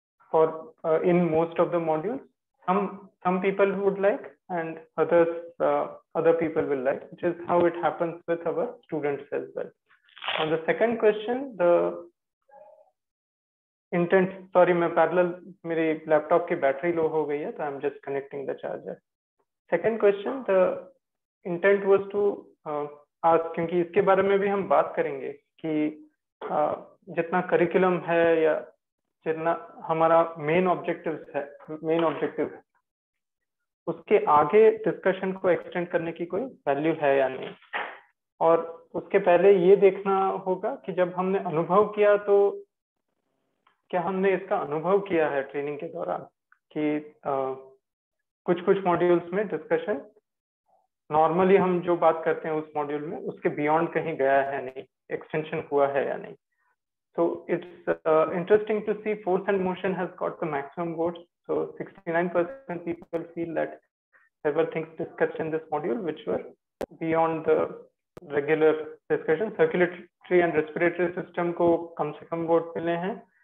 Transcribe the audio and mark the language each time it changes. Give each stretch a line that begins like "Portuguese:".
English: For in most of the modules, some people would like and others other people will like, which is how it happens with our students as well. On the second question, the intent. Sorry, my parallel. My laptop's battery low
Hindi: ho gayi hai,
English: so I'm just connecting the charger. Second question, the intent was to ask.
Hindi: Because iske bare mein bhi hum baat karenge ki jitna curriculum hai ya जितना हमारा main objective उसके आगे discussion को extend करने की कोई value है या नहीं. और उसके पहले ये देखना होगा कि जब हमने अनुभव किया तो क्या हमने इसका अनुभव किया है ट्रेनिंग के दौरान कि कुछ कुछ मॉड्यूल्स में डिस्कशन नॉर्मली हम जो बात करते हैं उस मॉड्यूल में उसके बियॉन्ड कहीं गया है नहीं, एक्सटेंशन हुआ है या नहीं.
English: So it's interesting to see force and motion has got the maximum votes. So 69% people feel that there were things discussed in this module which were beyond the regular discussion. Circulatory and respiratory system
Hindi: ko kam se kam vote mile hain.